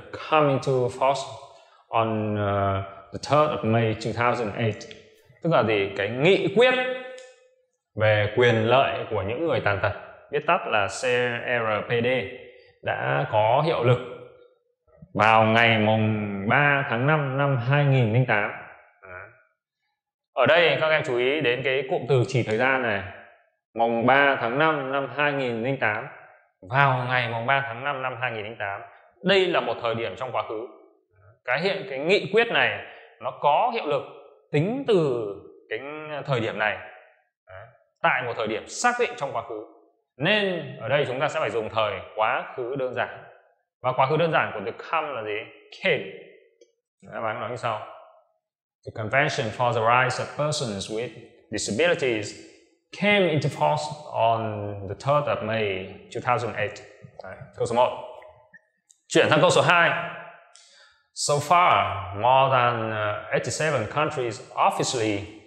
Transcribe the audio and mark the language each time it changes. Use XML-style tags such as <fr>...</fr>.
<en>come into force on the 3rd of May 2008.</en> <vi>Tức là gì? Cái nghị quyết về quyền lợi của những người tàn tật, viết tắt là CRPD, đã có hiệu lực vào ngày mùng 3 tháng 5 năm 2008. Ở đây các em chú ý đến cái cụm từ chỉ thời gian này. Mùng 3 tháng 5 năm 2008. Vào ngày mùng 3 tháng 5 năm 2008. Đây là một thời điểm trong quá khứ. Cái nghị quyết này nó có hiệu lực tính từ cái thời điểm này. Tại một thời điểm xác định trong quá khứ. Nên ở đây chúng ta sẽ phải dùng thời quá khứ đơn giản. Và quá khứ đơn giản của the come là gì? Came. Đáp án nói như sau.</vi> <en>The convention for the rights of persons with disabilities came into force on the 3rd of May 2008.</en> <vi>Đấy, câu số 1. Chuyển sang câu số 2.</vi> <en>So far, more than 87 countries officially</en>